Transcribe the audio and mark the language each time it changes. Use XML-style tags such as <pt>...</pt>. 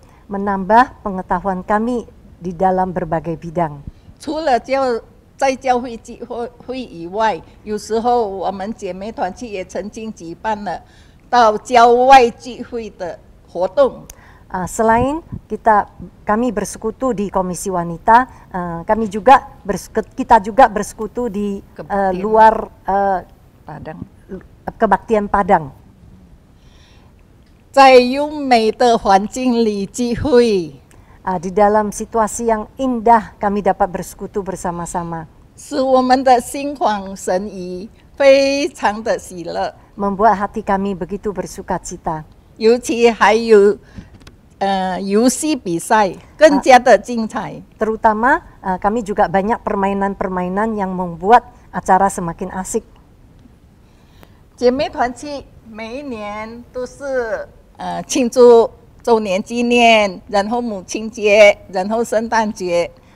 <id>menambah pengetahuan kami di dalam berbagai bidang.</id> <zh>除了在教会以外, 有时候我们姐妹团契也曾经举办了 到郊外聚会的活动.</zh> <id>Selain kami bersekutu di Komisi Wanita, kita juga bersekutu di luar Padang, kebaktian Padang.</id> <zh>在优美的环境里聚会.</zh> <id>Di dalam situasi yang indah kami dapat bersekutu bersama-sama.</id> <zh>使我们的心旷神怡, 非常的喜乐.</zh> <id>Membuat hati kami begitu bersuka cita.</id> <zh>尤其还有, UC比赛, 更加的精彩.</zh> <id>Terutama kami juga banyak permainan-permainan yang membuat acara semakin asik.</id> <zh>姐妹团契, 每一年都是, 庆祝周年纪念, 然后母亲节, 然后圣诞节.</zh>